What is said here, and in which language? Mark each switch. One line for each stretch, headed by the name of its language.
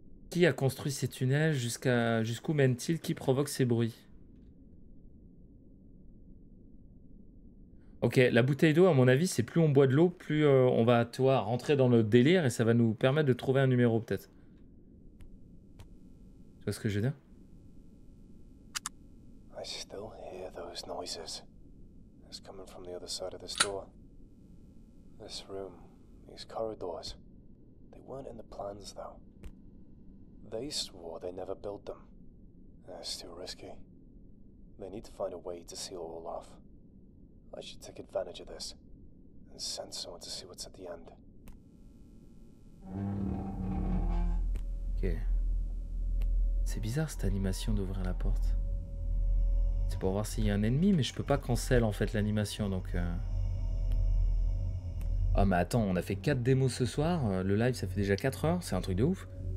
French: Qui a construit ces tunnels? Jusqu'où mène-t-il? Qui provoque ces bruits? Ok, la bouteille d'eau, à mon avis, c'est plus on boit de l'eau, plus on va, tu vois, rentrer dans notre délire et ça va nous permettre de trouver un numéro, peut-être. Tu vois ce que je veux dire?
English: I still hear those noises. It's coming from the other side of this door. This room, these corridors. They weren't in the plans, though. They swore they never built them. That's too risky. They need to find a way to seal it all off. I should take advantage of this and send someone to see what's at the end. Okay.
French: C'est bizarre cette animation d'ouvrir la porte. C'est pour voir s'il y a un ennemi, mais je peux pas cancel en fait l'animation, donc... Oh mais attends, on a fait 4 démos ce soir, le live ça fait déjà 4 heures, c'est un truc de ouf.